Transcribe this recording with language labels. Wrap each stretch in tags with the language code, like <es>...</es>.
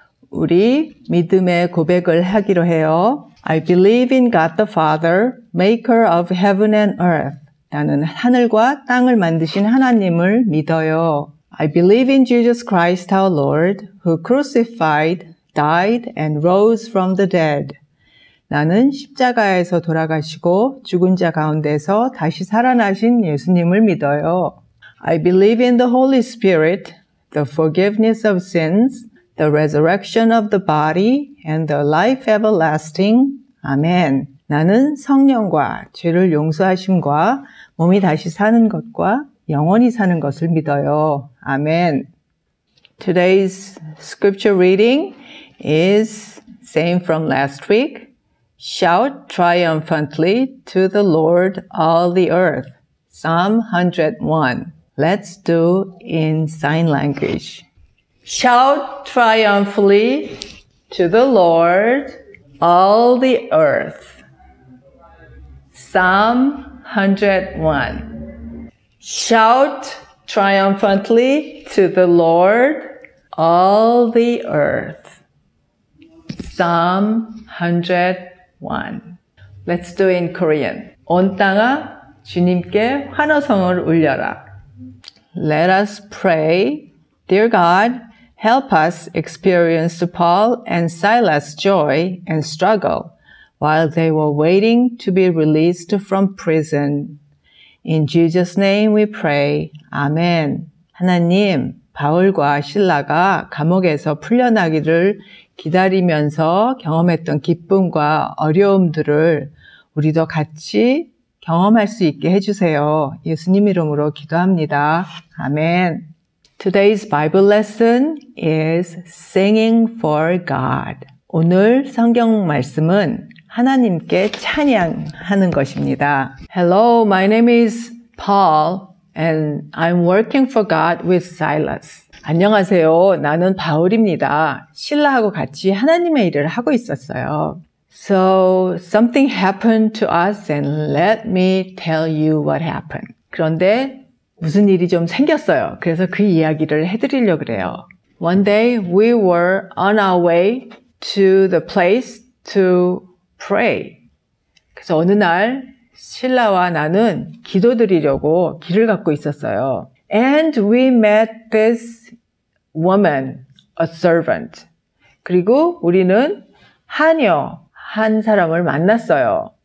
<ko>우리 믿음의 고백을 하기로 해요.</ko> <en>I believe in God the Father, maker of heaven and earth.</en> <ko>나는 하늘과 땅을 만드신 하나님을 믿어요.</ko> <en>I believe in Jesus Christ our Lord, who crucified, died, and rose from the dead.</en> <ko>나는 십자가에서 돌아가시고 죽은 자 가운데서 다시 살아나신 예수님을 믿어요.</ko> <en>I believe in the Holy Spirit, the forgiveness of sins, the resurrection of the body, and the life everlasting. Amen.</en> <ko>나는 성령과 죄를 용서하심과 몸이 다시 사는 것과 영원히 사는 것을 믿어요.</ko> <en>Amen. Today's scripture reading is same from last week. Shout triumphantly to the Lord all the earth. Psalm 101. Let's do in sign language. Shout triumphantly to the Lord, all the earth. Psalm 101. Shout triumphantly to the Lord, all the earth. Psalm 101. Let's do it in Korean.</en> <ko>온 땅아 주님께 환호성을 울려라.</ko> <en>Let us pray. Dear God, help us experience Paul and Silas' joy and struggle while they were waiting to be released from prison. In Jesus' name we pray. Amen.</en> <ko>하나님, 바울과 실라가 감옥에서 풀려나기를 기다리면서 경험했던 기쁨과 어려움들을 우리도 같이 경험할 수 있게 해주세요. 예수님 이름으로 기도합니다. 아멘.</ko> <en>Today's Bible lesson is singing for God.</en> <ko>오늘 성경 말씀은 하나님께 찬양하는 것입니다.</ko> <en>Hello, my name is Paul and I'm working for God with Silas.</en> <ko>안녕하세요. 나는 바울입니다. 실라하고 같이 하나님의 일을 하고 있었어요.</ko> <en>So something happened to us and let me tell you what happened.</en> <ko>그런데 무슨 일이 좀 생겼어요. 그래서 그 이야기를 해드리려고 그래요.</ko> <en>One day we were on our way to the place to pray.</en> <ko>그래서 어느 날 실라와 나는 기도드리려고 길을 걷고 있었어요.</ko> <en>And we met this woman, a servant.</en> <ko>그리고 우리는 하녀, 한 사람을 만났어요.</ko>